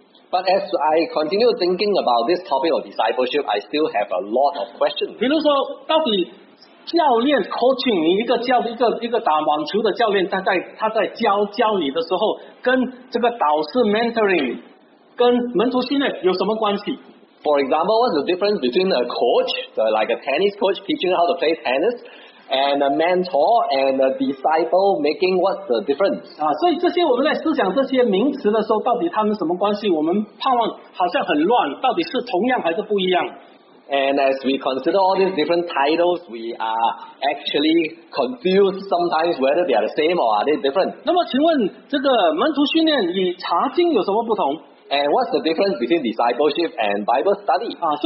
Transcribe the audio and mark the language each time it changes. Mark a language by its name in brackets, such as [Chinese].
[English] But as I continue thinking about this topic of discipleship, I still have a lot of questions. [Chinese] 比如说，到底教练 coaching 你一个教一个打网球的教练，他在教你的时候，跟这个导师 mentoring 跟门徒训练有什么关系？ [English] For example, what's the difference between a coach, like a tennis coach teaching how to play tennis, and a mentor and a disciple making what's the difference? [Chinese] 所以这些我们在思想这些名词的时候，到底他们什么关系？我们盼望好像很乱，到底是同样还是不一样？ [English] And as we consider all these different titles, we are actually confused sometimes whether they are the same or are they different. [Chinese] 那么请问这个门徒训练与查经有什么不同？ [English] And what's the difference between discipleship and Bible study?